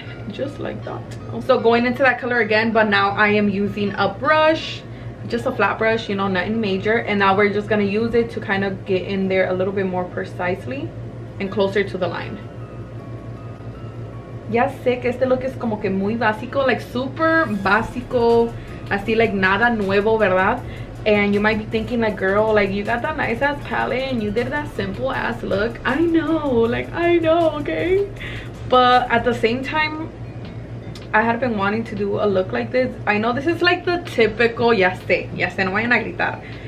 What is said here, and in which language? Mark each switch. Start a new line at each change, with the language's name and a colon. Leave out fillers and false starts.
English: Just like that. So going into that color again, but now I am using a brush, just a flat brush, you know, nothing major. And now we're just gonna use it to kind of get in there a little bit more precisely and closer to the line.
Spanish: Ya sé que este look es como que muy básico, like super básico, así like nada nuevo, ¿verdad?
English: And you might be thinking like, girl, like you got that nice ass palette and you did that simple ass look. I know, like I know, okay? But at the same time, I have been wanting to do a look like this. I know this is like the typical,
Spanish: ya sé, no vayan a gritar.